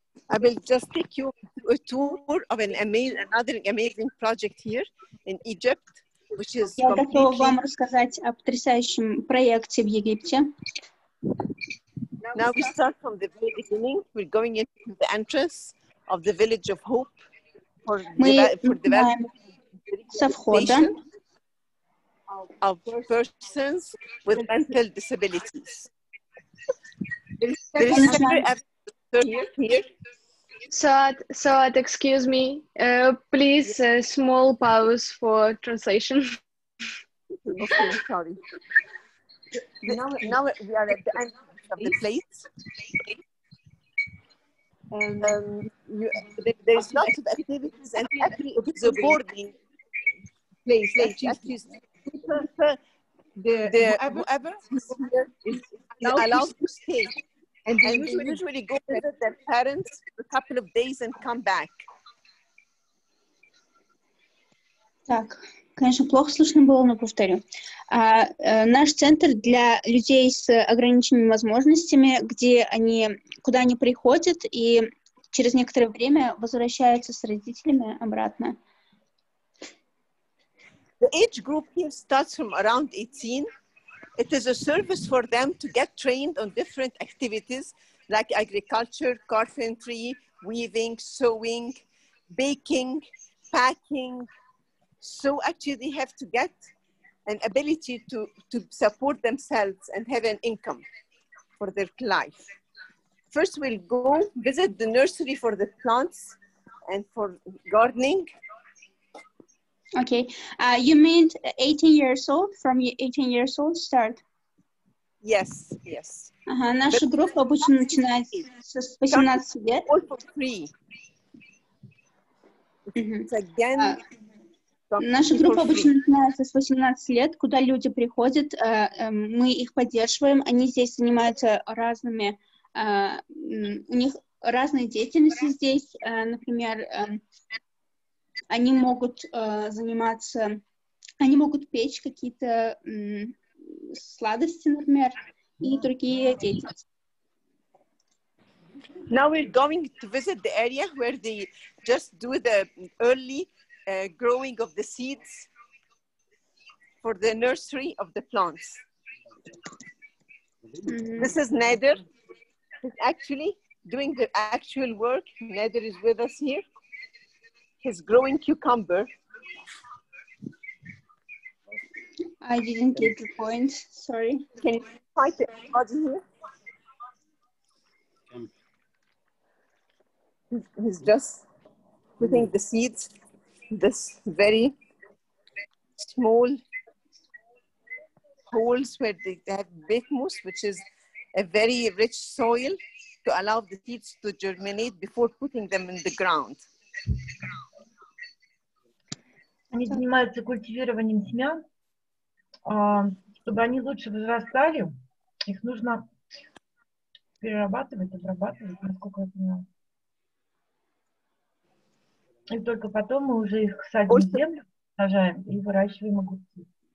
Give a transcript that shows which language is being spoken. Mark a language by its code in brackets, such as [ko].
[en] I will just take you a tour of another amazing project here in Egypt, which is completely... [ru] Я готова вам рассказать о потрясающем проекте в Египте. [en] Now we start from the very beginning. We're going into the entrance of the Village of Hope for developing [ru] со входа [en] of persons with mental disabilities. There is here. Саат, excuse me, please, small pause for translation. Okay, sorry. Now we are at the end of the place. And there's lots of activities and it's a boarding place. Excuse me. Whoever is here is allowed to stay. And they usually go visit their parents for a couple of days and come back. [ru] Так, конечно, плохо слышно было, но повторю. Наш центр для людей с ограниченными возможностями, куда они приходят и через некоторое время возвращаются с родителями обратно. [en] The age group here starts from around 18. It is a service for them to get trained on different activities like agriculture, carpentry, weaving, sewing, baking, packing. So actually they have to get an ability to support themselves and have an income for their life. First we'll go visit the nursery for the plants and for gardening. Okay, you mean 18 years old, from 18 years old start? Yes, yes. [ru] Ага, наша группа обычно начинает с 18 лет. [en] All for free. It's again... [ru] Наша группа обычно начинается с 18 лет, куда люди приходят, мы их поддерживаем, они здесь занимаются разными, у них разные деятельности здесь, например, они могут заниматься, они могут печь какие-то сладости, например, и другие деятельности. [en] Now we're going to visit the area where they just do the early growing of the seeds for the nursery of the plants. Mm-hmm. This is Nader. He's actually doing the actual work. Nader is with us here. He's growing cucumber. I didn't get the point. Sorry. Can you find the body here? He's just putting the seeds. This very small holes where they have bitmus, which is a very rich soil to allow the seeds to germinate before putting them in the ground. [ru] Они занимаются культивированием семян, чтобы они лучше возрастали, их нужно перерабатывать, обрабатывать, насколько я понимаю. И только потом мы уже их садим в землю, сажаем и выращиваем огурцы.